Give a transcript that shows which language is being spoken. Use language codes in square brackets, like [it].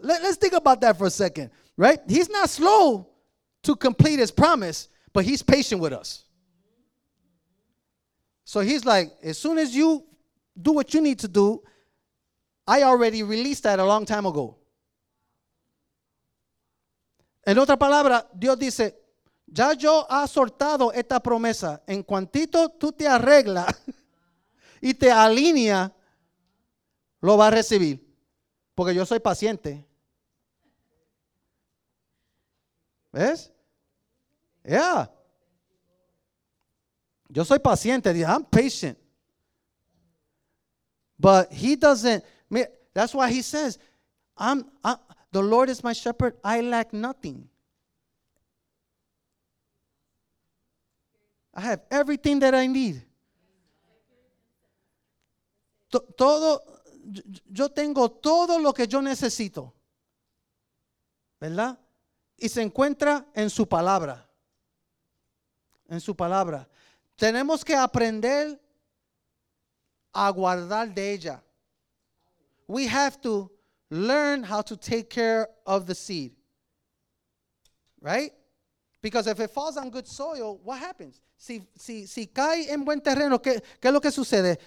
[en] Let's think about that for a second, right? He's not slow to complete his promise, but he's patient with us. So he's like, as soon as you do what you need to do, I already released that a long time ago. [es] En otra palabra, Dios dice, ya yo ha soltado esta promesa. En cuantito tú te arreglas y te alinea, lo va a recibir. Porque yo soy paciente. ¿Ves? Yeah. Yo soy paciente. [en] I'm patient. But he doesn't. That's why he says, the Lord is my shepherd. I lack nothing. I have everything that I need. [es] Todo. Yo tengo todo lo que yo necesito, ¿verdad? Y se encuentra en su palabra. En su palabra. Tenemos que aprender a guardar de ella. [en] We have to learn how to take care of the seed. Right? Because if it falls on good soil, what happens? [es] Si cae en buen terreno, ¿qué es lo que sucede?